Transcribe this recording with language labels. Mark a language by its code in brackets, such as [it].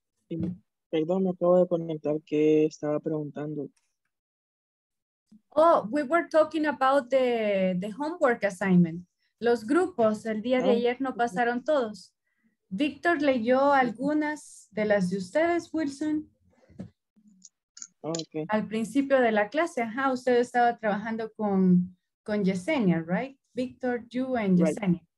[es] Perdón, me acabo de conectar que estaba preguntando. [en] Oh, we were talking about the homework assignment. [es] Los grupos el día de ayer no pasaron todos. Víctor leyó algunas de las de ustedes, Wilson. [en] Okay. [es] Al principio de la clase, ajá, usted estaba trabajando con Yesenia, right? [en] Víctor, you and Yesenia.